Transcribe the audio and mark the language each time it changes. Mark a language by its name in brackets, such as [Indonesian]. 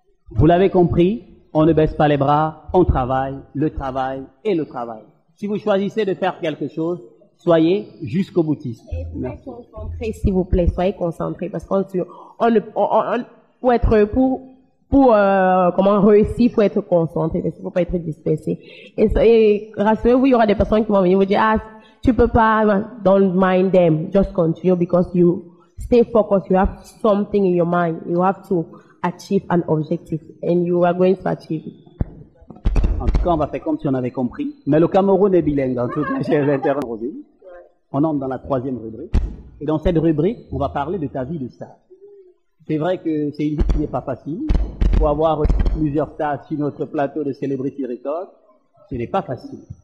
[French] Vous l'avez compris, on ne baisse pas les bras, on travaille, le travail et le travail. Si vous choisissez de faire quelque chose, soyez jusqu'au boutiste. Et soyez concentrés, s'il vous plaît, soyez concentrés, parce qu'on pour réussir, il faut être concentré, il ne faut pas être dispersé. Et rassurez-vous, il y aura des personnes qui vont venir vous dire, ah, tu peux pas, [English] don't mind them, just continue, because you stay focused, you have something in your mind, you have to achieve an objective, and you are going to achieve it. [French] En tout cas, on va faire comme si on avait compris, mais le Cameroun est bilingue, en tout cas, j'ai l'intérêt de Rosine. On entre dans la troisième rubrique, et dans cette rubrique, on va parler de ta vie de star. C'est vrai que c'est une vie qui n'est pas facile. Pour avoir plusieurs stars sur notre plateau de Celebrity Records, ce n'est pas facile.